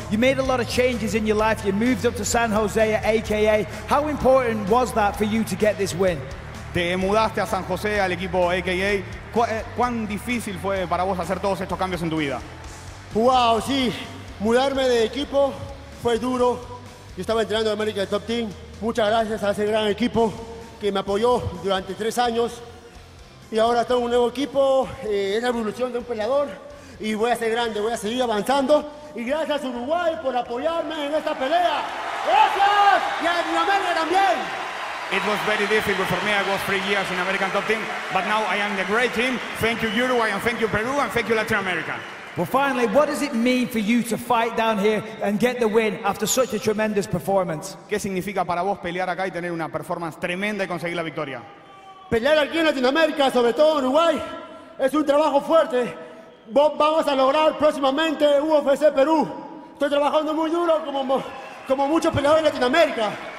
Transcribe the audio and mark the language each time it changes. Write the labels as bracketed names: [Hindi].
[English] You made a lot of changes in your life. You moved up to San Jose at AKA. How important was that for you to get this win? [Spanish] Te mudaste a San Jose, al equipo AKA. ¿Cuán difícil fue para vos hacer todos estos cambios en tu vida? Wow, sí. Mudarme de equipo fue duro. Yo estaba entrenando en América de Top Team. Muchas gracias a ese gran equipo que me apoyó durante 3 años. Y ahora tengo un nuevo equipo. Es la evolución de un peleador. Y voy a ser grande, voy a seguir avanzando. Y gracias Uruguay por apoyarme en esta pelea. ¡Gracias! Y a Latinoamérica también. [English] It was very difficult for me. I was 3 years in American Top Team. But now I am the great team. Thank you Uruguay, and thank you Peru, and thank you Latin America. Well, finally, what does it mean for you to fight down here and get the win after such a tremendous performance? [Spanish] ¿Qué significa para vos pelear acá y tener una performance tremenda y conseguir la victoria? Pelear aquí en Latinoamérica, sobre todo en Uruguay, es un trabajo fuerte. Vamos a lograr próximamente UFC Perú. Estoy trabajando muy duro como muchos peleadores de Latinoamérica.